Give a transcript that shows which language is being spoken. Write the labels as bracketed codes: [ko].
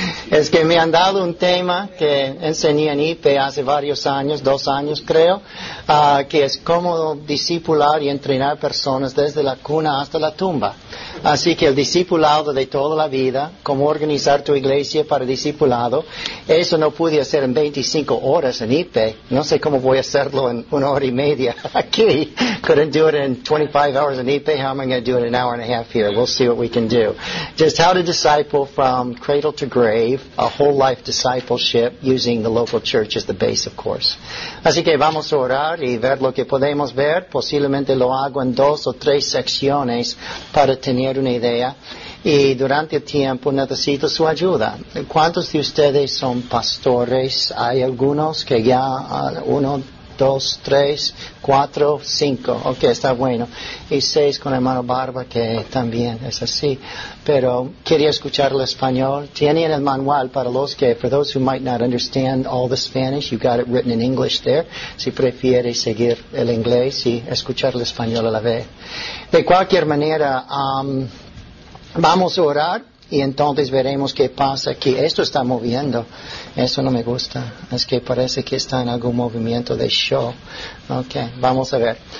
[es] Es que me han dado un tema que enseñé en IPE hace varios años, 2 años creo, que es cómo discipular y entrenar personas desde la cuna hasta la tumba. Así que el discipulado de toda la vida, cómo organizar tu iglesia para el discipulado, eso no pude hacer en 25 horas en IPE. No sé cómo voy a hacerlo en 1 hora y media aquí. [en] Couldn't do it in 25 hours in IPE. How am I going to do it in 1.5 hours here? We'll see what we can do. Just how to disciple from cradle to grave. A whole life discipleship using the local church as the base, of course. [es] Así que vamos a orar y ver lo que podemos ver. Posiblemente lo hago en 2 o 3 secciones para tener una idea. Y durante el tiempo necesito su ayuda. ¿Cuántos de ustedes son pastores? Hay algunos que ya, 1, 2, 3, 4, 5. Ok, está bueno. Y 6 con el hermano Barba, que también es así. Pero quería escuchar el español. Tienen el manual para los que, [en] for those who might not understand all the Spanish, you got it written in English there. [es] Si prefiere seguir el inglés y escuchar el español a la vez. De cualquier manera, vamos a orar. Y entonces veremos qué pasa aquí. Esto está moviendo. Eso no me gusta. Es que parece que está en algún movimiento de show. Ok, vamos a ver.